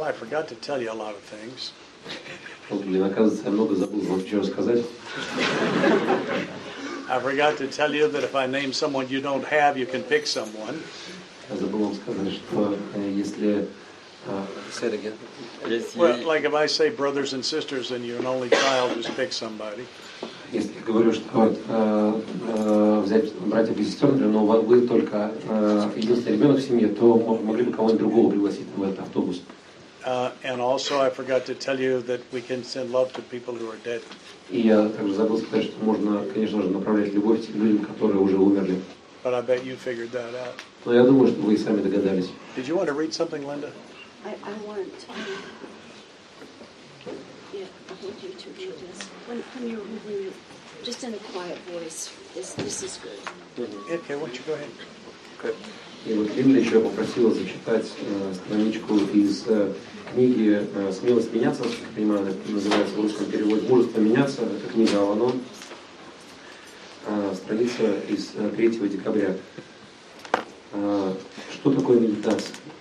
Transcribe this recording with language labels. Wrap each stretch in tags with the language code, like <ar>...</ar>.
<en>Got to tell you a lot of things.</en> <ru>Блин, оказывается, я много забыл вам что сказать.</ru> <en>I forgot to tell you that if I name someone you don't have, you can pick someone.</en> <ru>Я забыл вам сказать, что если</ru> <en>say it again. Well, like if I say brothers and sisters and you're an only child, just pick somebody.</en> <ru>Если я говорю, что взять братьев и сестер, но вы только единственный ребенок в семье, то могли бы кого-нибудь другого пригласить в этот автобус.</ru> <en>And also, I forgot to tell you that we can send love to people who are dead.</en> <ru>И я также забыл сказать, что можно, конечно же, направлять любовь тем людям, которые уже умерли.</ru> <en>But I bet you figured that out.</en> <ru>Но я думаю, что вы и сами догадались.</ru> <en>Did you want to read something, Linda? I want to. Yeah, I want you to read this. When you're just in a quiet voice, this is good. Mm-hmm. Okay, why don't you go ahead? Okay.</en> <ru>И вот Линда еще попросила зачитать страничку из книги «Смелость меняться», как я понимаю, это называется в русском переводе «Мужество меняться». Это книга Аланон, страница из 3 декабря. Что такое медитация?</ru>